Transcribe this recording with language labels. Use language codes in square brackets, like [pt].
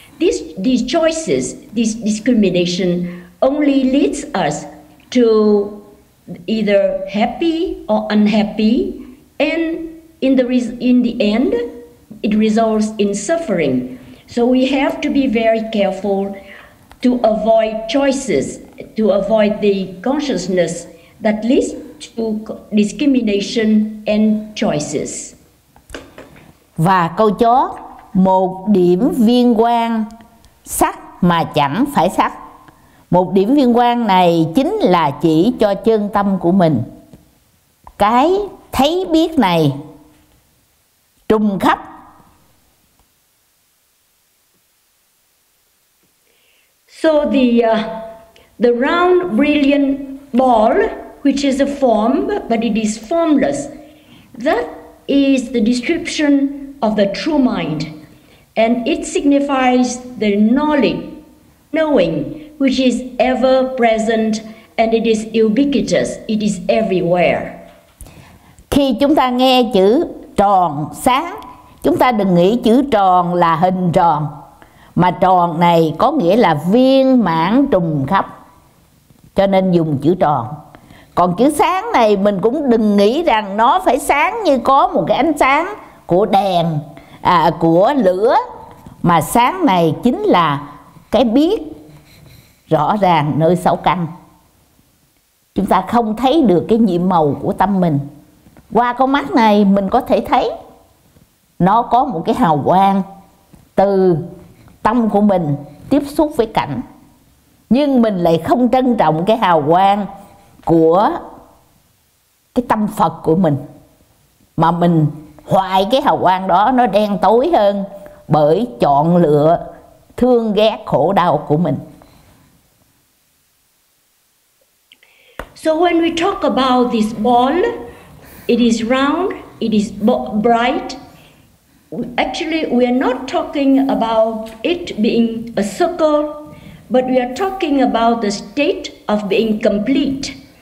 [en] These choices, this discrimination, only leads us to either happy or unhappy, and in the end, it results in suffering. So we have to be very careful to avoid choices, to avoid the consciousness that leads to discrimination and choices. [vi] Và câu chó, một điểm viên quang sắc mà chẳng phải sắc. Một điểm viên quang này chính là chỉ cho chân tâm của mình. Cái thấy biết này trùm khắp. [en] So the round brilliant ball, which is a form but it is formless, that is the description of the true mind. And it signifies the knowledge, knowing, which is ever present and it is ubiquitous, it is everywhere. [vi] Khi chúng ta nghe chữ tròn sáng, chúng ta đừng nghĩ chữ tròn là hình tròn, mà tròn này có nghĩa là viên mãn trùm khắp, cho nên dùng chữ tròn. Còn chữ sáng này mình cũng đừng nghĩ rằng nó phải sáng như có một cái ánh sáng của đèn, của lửa, mà sáng này chính là cái biết rõ ràng nơi sáu căn. Chúng ta không thấy được cái nhiệm màu của tâm mình. Qua con mắt này mình có thể thấy nó có một cái hào quang từ tâm của mình tiếp xúc với cảnh, nhưng mình lại không trân trọng cái hào quang của cái tâm Phật của mình, mà mình hoài cái hào quang đó nó đen tối hơn bởi chọn lựa thương ghét khổ đau của mình. [en] So when we talk about this ball, it is round, it is bright. Actually, we are not talking about it being a circle, but we are talking about the state of being complete.